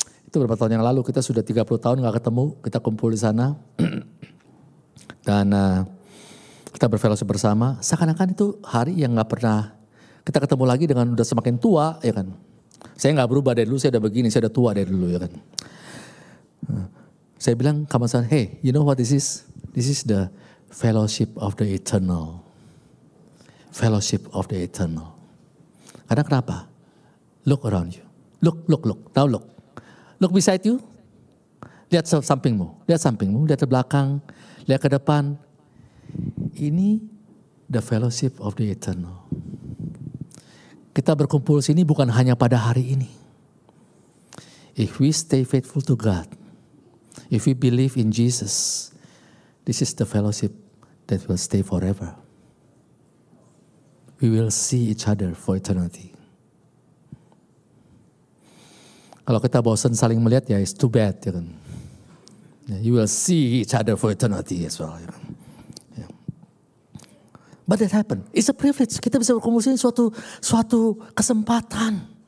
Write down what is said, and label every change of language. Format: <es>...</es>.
<id>Itu beberapa tahun yang lalu, kita sudah 30 tahun gak ketemu. Kita kumpul di sana. Dan kita berfellowship bersama. Seakan-akan itu hari yang gak pernah kita ketemu lagi dengan udah semakin tua, ya kan. Saya gak berubah dari dulu, saya udah begini, saya udah tua dari dulu, ya kan. Saya bilang kawan-kawan,</id> <en>hey, you know what this is? This is the fellowship of the eternal. Fellowship of the eternal.</en> <id>Karena kenapa?</id> <en>Look around you. Look. Now look. Look beside you.</en> <id>Lihat sampingmu. Lihat ke belakang. Lihat ke depan. Ini</id> <en>the fellowship of the eternal.</en> <id>Kita berkumpul sini bukan hanya pada hari ini.</id> <en>If we stay faithful to God. If we believe in Jesus. This is the fellowship that will stay forever. We will see each other for eternity.</en> <id>Kalau kita bosan saling melihat,</id> <en>ya it's too bad.</en> <id>Ya kan?</id> <en>You will see each other for eternity as well.</en> <id>Ya kan?</id> <en>Yeah. But that happened. It's a privilege.</en> <id>Kita bisa berkumpul ini suatu kesempatan.</id>